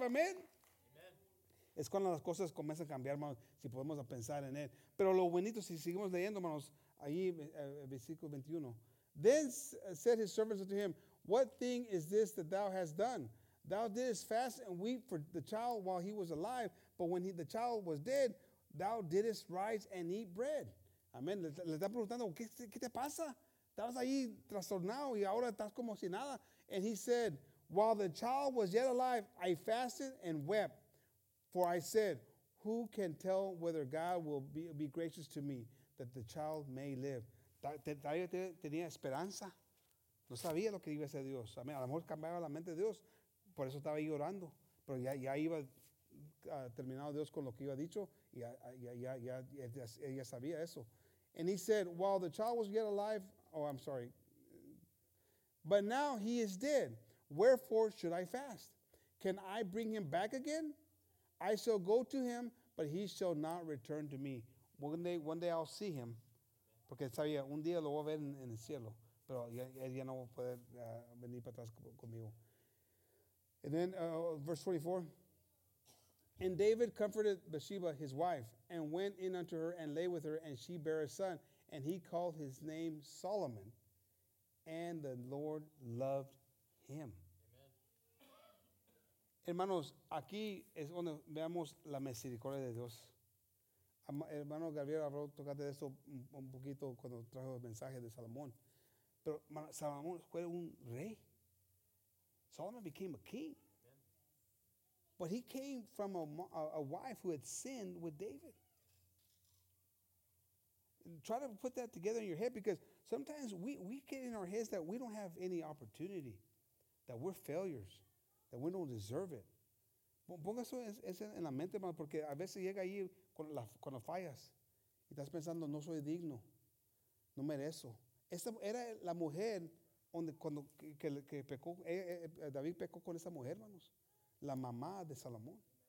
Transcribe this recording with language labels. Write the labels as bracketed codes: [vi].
[en] Amen. [es] Es cuando las cosas comienzan a cambiar, hermanos, si podemos pensar en él. Pero lo bonito, si seguimos leyendo, hermanos, ahí, versículo 21. [en] Then said his servants unto him, what thing is this that thou hast done? Thou didst fast and weep for the child while he was alive, but when the child was dead, thou didst rise and eat bread. [es] Amén. Le está preguntando, ¿qué te pasa? Estabas ahí trastornado y ahora estás como si nada. [en] And he said, while the child was yet alive, I fasted and wept. For I said, who can tell whether God will be gracious to me that the child may live? [es] Todavía tenía esperanza. No sabía lo que iba a hacer Dios. A lo mejor cambiaba la mente de Dios. Por eso estaba ahí orando. Pero ya iba terminado Dios con lo que iba dicho. Ya sabía eso. [en] And he said, while the child was yet alive, oh, I'm sorry. But now he is dead. Wherefore should I fast? Can I bring him back again? I shall go to him, but he shall not return to me. One day I'll see him. [es] Porque sabía, un día lo voy a ver en el cielo. Pero él ya no va a poder venir para atrás conmigo. [en] And then, verse 24. And David comforted Bathsheba, his wife, and went in unto her and lay with her, and she bare a son. And he called his name Solomon. And the Lord loved him. [es] Hermanos, aquí es donde veamos la misericordia de Dios. Hermano Gabriel habló, tocate de esto un poquito cuando trajo el mensaje de Salomón. Pero Salomón fue un rey. [en] Solomon became a king. But he came from a wife who had sinned with David. And try to put that together in your head, because sometimes we get in our heads that we don't have any opportunity, that we're failures, that we don't deserve it. [es] Ponga eso en la mente, hermano, porque a veces llega ahí con las fallas y estás pensando, no soy digno, no merezco. Esta era la mujer donde cuando que pecó, David pecó con esa mujer, hermanos, la mamá de Salomón.